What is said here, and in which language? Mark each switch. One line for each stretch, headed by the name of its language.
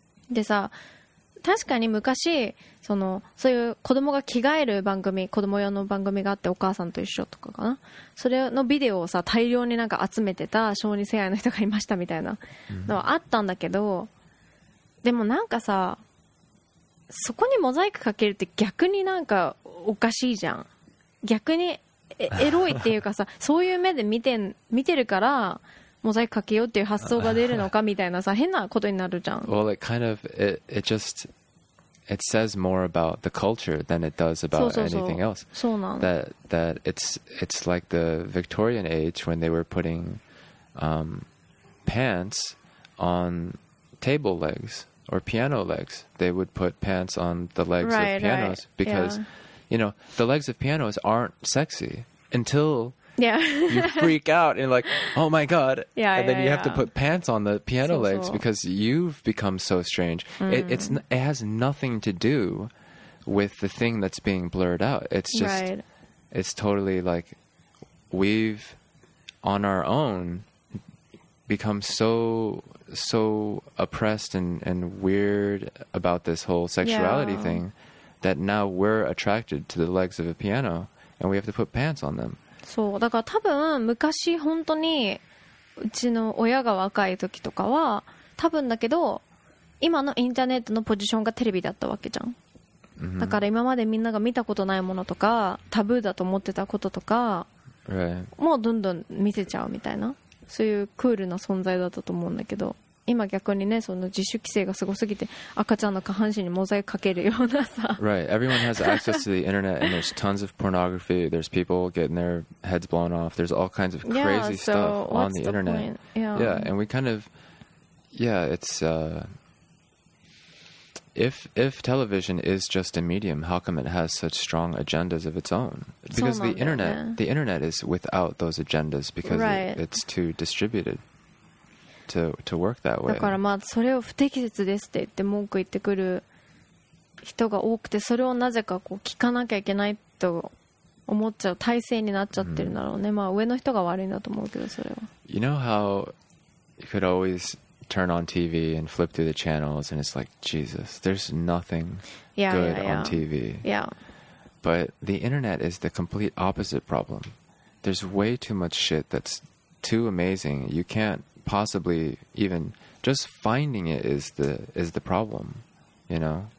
Japanese: で、さ、確かに昔そういう子供が着替える番組、子供用の番組があって、お母さんと一緒とかかな、それのビデオをさ大量になんか集めてた小児性愛の人がいましたみたいなのはあったんだけど、でもなんかさ、そこにモザイクかけるって逆になんかおかしいじゃん。逆にエロいっていうかさ、そういう目で見てるからモザイクかけようっていう発想が出るのかみたいなさ、変なことになるじゃん。
English: Well, it kind of, it says more about the culture than it does about anything else.
Japanese: そうなの。
English: That it's like the Victorian age when they were putting pants on table legs or piano legs. They would put pants on the legs of pianos because, you know, the legs of pianos aren't sexy. Until you freak out and you're like, oh my god. And then you have to put pants on the piano legs because you've become so strange. It has nothing to do with the thing that's being blurred out. It's just, it's totally like we've on our own become so oppressed and weird about this whole sexuality thing that now we're attracted to the legs of a piano. And we have to put pants on them.
Japanese: そう、だから多分昔本当にうちの親が若い時とかは多分だけど、今のインターネットのポジションがテレビだったわけじゃん。だから今までみんなが見たことないものとかタブーだと思ってたこととか、もうどんどん見せちゃうみたいな、そういうクールな存在だったと思うんだけど、今逆にね、その自主規制がすごすぎて赤ちゃんの下半身にモザイクかけるようなさ。
English: Right, everyone has access to the internet and there's tons of pornography. There's people getting their heads blown off. There's all kinds of crazy stuff on the internet. Yeah, and we kind of, it's if television is just a medium, how come it has such strong agendas of its own? Because the internet is without those agendas because it's too distributed. To work that way.
Japanese: だからまあそれを不適切ですって言って文句言ってくる人が多くて、それをなぜかこう聞かなきゃいけないと思っちゃう体制になっちゃってるんだろうね。まあ上の人が悪いんだと思うけど、それは。
English: You know how you could always turn on TV and flip through the channels and it's like, Jesus, there's nothing good on TV. Yeah. But the internet is the complete opposite problem. There's way too much shit that's too amazing. You can't possibly even... Just finding it is the problem, you know?